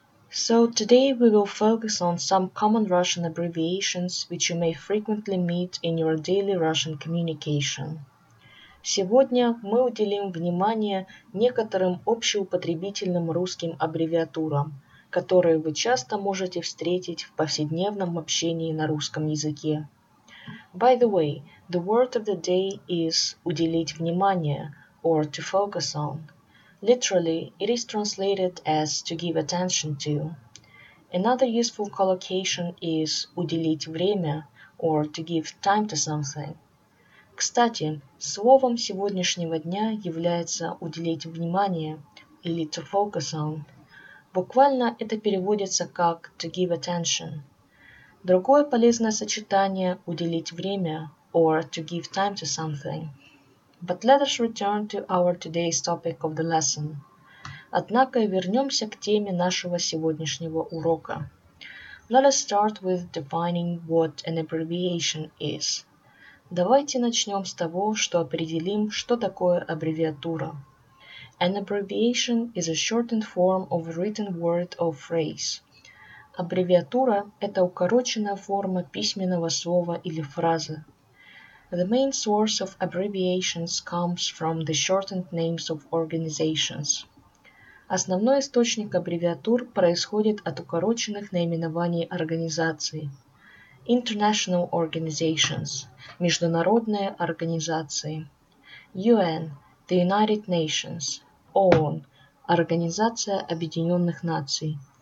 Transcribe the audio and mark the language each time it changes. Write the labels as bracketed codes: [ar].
[en] So today we will focus on some common Russian abbreviations which you may frequently meet in your daily Russian communication. [ru] Сегодня мы уделим внимание некоторым общеупотребительным русским аббревиатурам, которые вы часто можете встретить в повседневном общении на русском языке. [en] By the way, the word of the day is [ru] «уделить внимание» [en] or «to focus on». Literally, it is translated as «to give attention to». Another useful collocation is [ru] «уделить время» [en] or «to give time to something». [ru] Кстати, словом сегодняшнего дня является «уделить внимание» или [en] «to focus on». [ru] Буквально это переводится как [en] «to give attention». [ru] Другое полезное сочетание – «уделить время» [en] or «to give time to something». But let us return to our today's topic of the lesson. [ru] Однако вернемся к теме нашего сегодняшнего урока. [en] Let us start with defining what an abbreviation is. [ru] Давайте начнем с того, что определим, что такое аббревиатура. [en] An abbreviation is a shortened form of a written word or phrase. [ru] Аббревиатура – это укороченная форма письменного слова или фразы. [en] The main source of abbreviations comes from the shortened names of organizations. [ru] Основной источник аббревиатур происходит от укороченных наименований организаций. [en] International organizations – [ru] международные организации. [en] UN – the United Nations. [ru] ООН – Организация Объединенных Наций.